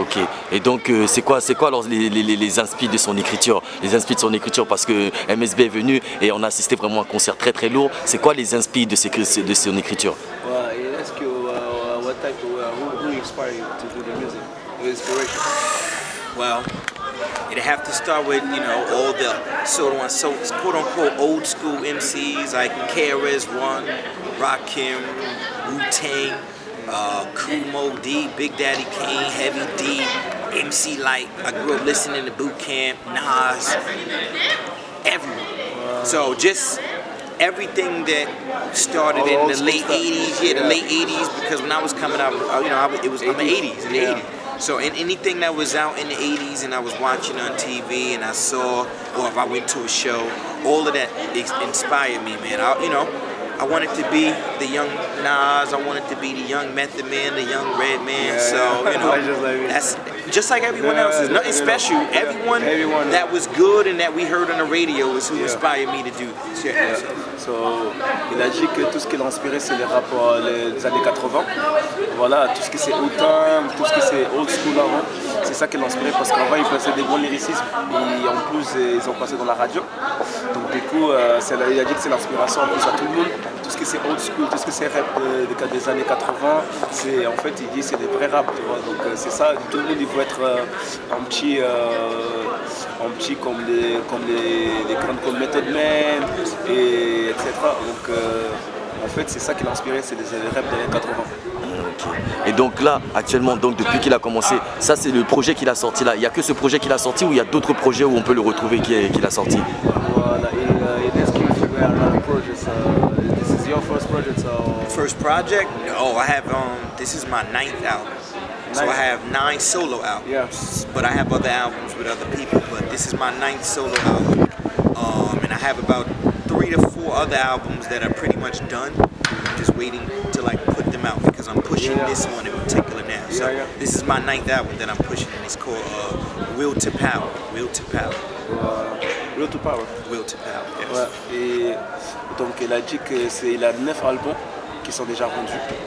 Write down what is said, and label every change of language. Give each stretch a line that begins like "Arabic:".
French: Ok, et donc c'est quoi alors les inspirations de son écriture? Les inspirations de son écriture, parce que MSB est venu et on a assisté vraiment à un concert très très lourd. C'est quoi les inspirations de son écriture?
English: Well, he asked you, what type of, who inspired you to do the music? Who inspiration? Well, it have to start with, you know, all the sort of so quote unquote old school MCs like KRS-One, Rakim, Wu-Tang. Kumo D, Big Daddy Kane, Heavy D, MC Light. I grew up listening to Boot Camp, Nas, everyone. So just everything that started in the late 80s, yeah, the late 80s, because when I was coming out, you know, I'm in the 80s, in the 80s. So in anything that was out in the 80s and I was watching on TV and I saw, or if I went to a show, all of that inspired me, man. I wanted to be the young Nas, I wanted to be the young Method Man, the young Red Man, so, you know, that's just like everyone else, it's nothing special. You know, everyone that was good and that we heard on the radio is who inspired me to do this. Yeah. Yeah.
French: So, il a dit que tout ce qui l'a inspiré, c'est les rappeurs des années 80. Voilà, tout ce qui c'est autant, tout ce qui c'est old school avant, c'est ça qui l'a inspiré, parce qu'avant, ils passaient des bons lyricismes, et en plus, ils ont passé dans la radio. Donc, du coup, c'est, il a dit que c'est l'inspiration en plus à tout le monde. Tout ce qui c'est old school, tout ce qui c'est rap des années 80, c'est, en fait, il dit que c'est des vrais rap, tu vois. Donc, c'est ça, tout le monde, il veut être un petit comme les grands comme Method Man, et etc. Donc, en fait, c'est ça qui l'a inspiré, c'est des rap des années 80. Et donc là, actuellement, donc depuis qu'il a commencé, ça c'est le projet qu'il a sorti là. Il n'y a que ce projet qu'il a sorti ou il y a d'autres projets où on peut le retrouver qu'il a sorti? Voilà, il est qui fait un autre projet.
English: This is your first project, so... First project? No, I have, this is my ninth album. So I have 9 solo albums. Yes. But I have other albums with other people, but this is my ninth solo album. And I have about 3 to 4 other albums that are pretty much done. I'm just waiting to like put them out. I'm pushing this one in particular now. So this is my ninth album that I'm pushing, and it's called Will to Power. Will to Power. Will to Power. Will to Power. Yes.
French: Ouais. Et donc il a dit que c'est il a 9 albums qui sont déjà vendus.